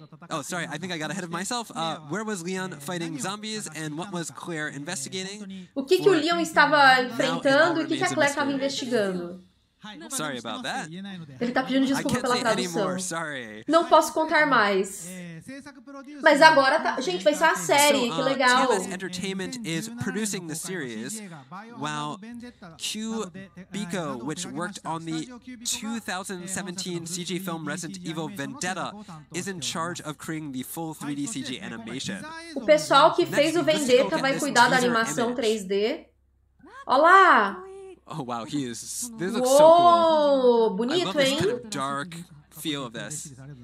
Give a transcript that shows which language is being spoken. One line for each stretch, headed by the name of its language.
English: Oh, sorry, I think I got ahead of myself. Where was Leon fighting zombies and what was Claire investigating?
Portuguese: O que, que o Leon estava enfrentando e o que, que a Claire estava investigando?
English: Sorry about that.
Portuguese: Ele tá pedindo desculpa pela tradução.
English: Anymore, sorry.
Portuguese: Não posso contar mais. Mas agora tá... Gente, vai ser uma série, que legal.
English: TMS Entertainment is producing the series, while Q Biko, which worked on the 2017 CG film Resident Evil Vendetta, is in charge of creating the full 3D CG animation.
Portuguese: O pessoal que fez o Vendetta vai cuidar da animação 3D. Olá!
English: Oh wow, he is. This looks so cool.
Portuguese: Bonito,
English: I love this kind of dark feel of this.